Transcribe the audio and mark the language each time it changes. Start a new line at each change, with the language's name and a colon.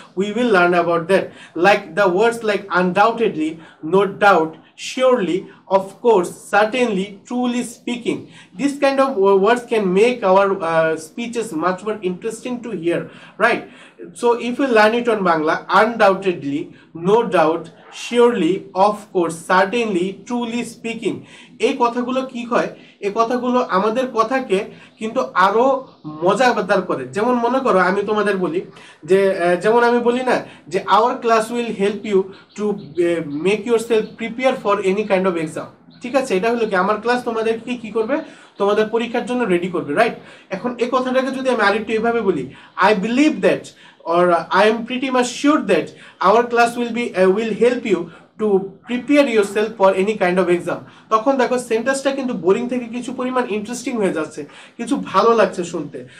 English: We will learn about that. Like the words like undoubtedly, no doubt, surely, of course, certainly, truly speaking. This kind of words can make our speeches much more interesting to hear, right? So if you learn it on Bangla, undoubtedly, no doubt, surely, of course, certainly, truly speaking.
Bangla: এই কথাগুলো কি হয়? এই কথাগুলো আমাদের কথাকে কিন্তু আরো মজা বাদার করে। যেমন মনে করো আমি তোমাদের বলি যে যেমন আমি বলি না যে
English: our class will help you to make yourself prepare for any kind of exam,
Bangla: ঠিক আছে, এটা হলো কি আমার ক্লাস তোমাদেরকে কি করবে, তোমাদের পরীক্ষার জন্য রেডি করবে, রাইট? এখন এই কথাটাকে যদি আমি আরেকটু এভাবে বলি,
English: I believe that or I am pretty much sure that our class will be will help you to prepare yourself for any kind of exam,
Bangla: তখন দেখো সেন্টেন্সটা কিন্তু বোরিং থেকে কিছু পরিমাণ ইন্টারেস্টিং হয়ে যাচ্ছে, কিছু ভালো লাগছে শুনতে।